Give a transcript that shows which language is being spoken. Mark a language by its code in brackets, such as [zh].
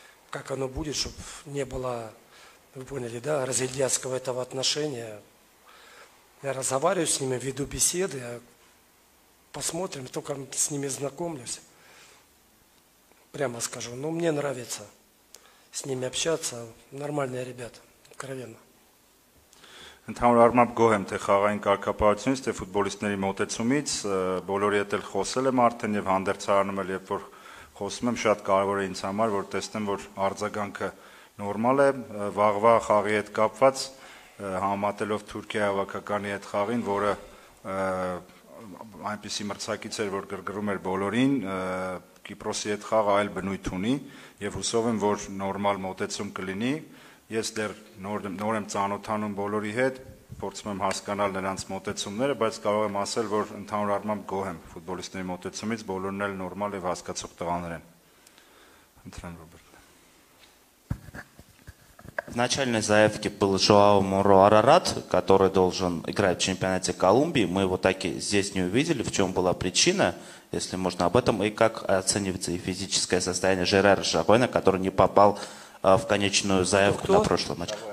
[ru] Как оно будет, чтобы не было, вы поняли, да, разгильдяйского этого отношения. Я разговариваю с ними, веду беседы. Посмотрим, только с ними знакомлюсь. Прямо скажу, мне нравится с ними общаться, нормальные ребята, откровенно. [hy] Ընդհանուր առմամբ գոհ եմ, թե խաղային կարգապահությունից, թե ֆուտբոլիստների մոտեցումից, բոլորի հետ էլ խոսել եմ արդեն և հանդերձարանում էլ, երբ որ խոսում եմ, շատ կարևոր է ինձ համար, որ տեսնեմ, որ արձագանքը նորմալ է, վաղվա խաղի հետ կապված, համատելով Թուրքիայի հավաքականի հետ խաղին, որը այնպիսի մրցակից էր, որ գրգռում էր բոլորին, Կիպրոսի հետ խաղը այլ բնույթ ունի և հուսով եմ, որ նորմալ մոտեցում կլինի, ես դեռ նոր եմ ծանոթանում բոլորի հետ, փորձում եմ հասկանալ նրանց մոտեցումները, բայց կարող եմ ասել, որ ընդհանուր առմամբ գոհ եմ ֆուտբոլիստների մոտեցումից, բոլորն էլ նորմալ և հասկացող տղաներ են։ Ընդրան Ռոբերտը։ [ru] Вначале заявки был Жоао Моро Арарат, который должен играть в чемпионате Колумбии. Мы его так и здесь не увидели. В чем была причина, если можно об этом? И как оценивается и физическое состояние Жерара Шагойна, который не попал в конечную заявку на прошлый матч?